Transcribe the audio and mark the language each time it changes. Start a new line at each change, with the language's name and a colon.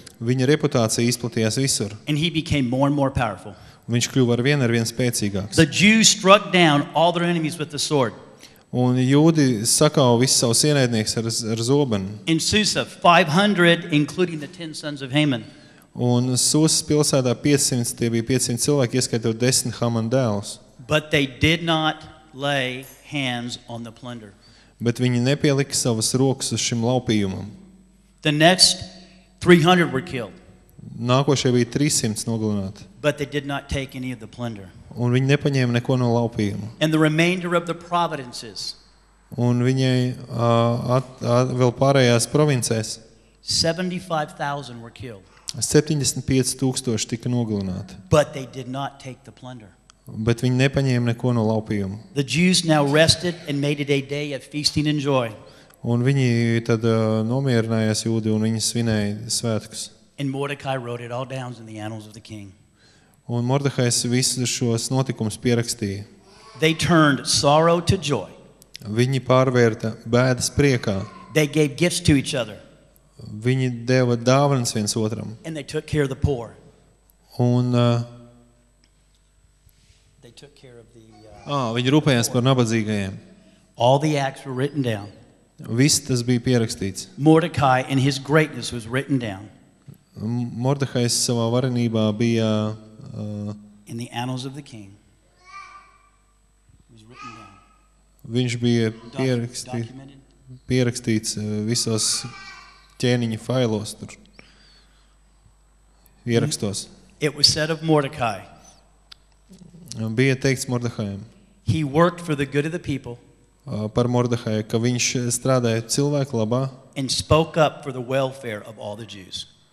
Latvian: Viņa reputācija izplatījās visur.
English: And he became more and more powerful.
Latvian: Viņš kļuva ar vien spēcīgāks.
English: The Jews struck down all their enemies with the sword.
Latvian: Un jūdi sakāva visus savus ienaidniekus ar zobenu.
English: In Susa, 500, including the 10 sons of Haman.
Latvian: Un Susas pilsētā 500, tie bija 500 cilvēki, ieskaitot 10 Haman dēlus.
English: But they did not lay hands on the plunder.
Latvian: Bet viņi nepielika savas rokas uz šim laupījumam.
English: The next 300 were killed.
Latvian: Nākošie bija 300 nogalināti.
English: But they did not take any of the plunder.
Latvian: Un viņi nepaņēma neko no laupījuma.
English: And the remainder of the provinces.
Latvian: Un viņai vēl pārējās provincēs.
English: 75,000 were killed.
Latvian: 75,000 tika nogalināti.
English: But they did not take the plunder.
Latvian: Bet viņi nepaņēma neko no laupījuma.
English: The Jews now rested and made it a day of feasting and joy.
Latvian: Un viņi tad nomierinājās jūdi un viņi svinēja svētkus.
English: And Mordecai wrote it all down in the annals of the king.
Latvian: Un Mordehajs visus šos notikumus pierakstīja.
English: They turned sorrow to joy.
Latvian: Viņi pārvērta bēdas priekā.
English: They gave gifts to each other.
Latvian: Viņi deva dāvanas viens otram.
English: And they took care of the poor.
Latvian: Un
English: they took care of the
Latvian: viņi rūpējās par nabadzīgajiem.
English: All the acts were written down.
Latvian: Viss tas bija pierakstīts.
English: Mordecai in his greatness was written down.
Latvian: Mordehajs savā varenībā bija
English: in the annals of the king. Was written down.
Latvian: Viņš bija pierakstīts visos ķēniņa failos tur. Ierakstos.
English: It was said of Mordecai.
Latvian: Bija teikts Mordehajam.
English: He worked for the good of the people.
Latvian: Par Mordehaju, ka viņš strādāja cilvēku labā.
English: And spoke up for the welfare of all the Jews.